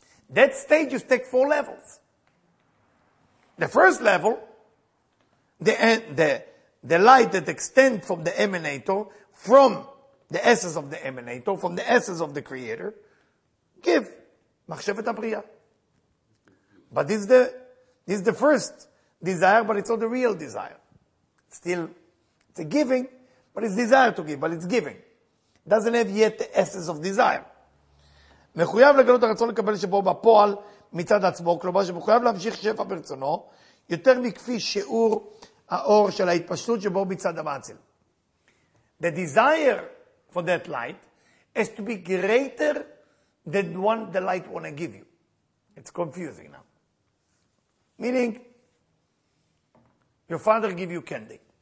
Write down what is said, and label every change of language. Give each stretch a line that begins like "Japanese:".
English: That stage is take four levels. The first level, the light that extends from the emanator, from the essence of the emanator, from the essence of the creator, give. Machshevet HaBriya. But this is the first desire, but it's not the real desire. Still, it's a giving, but it's desire to give, but it's giving. It doesn't have yet the essence of desire.
Hebrew: מחויב לגלות הרצון לקבל שבו בפועל מצד עצמו, כלומר שמחויב להמשיך שפע ברצונו, יותר מכפי שיעור האור של ההתפשטות שבו מצד המעציל.
English: The desire for that light has to be greater than one the light want to give you. It's confusing now. Meaning, your father give you candy.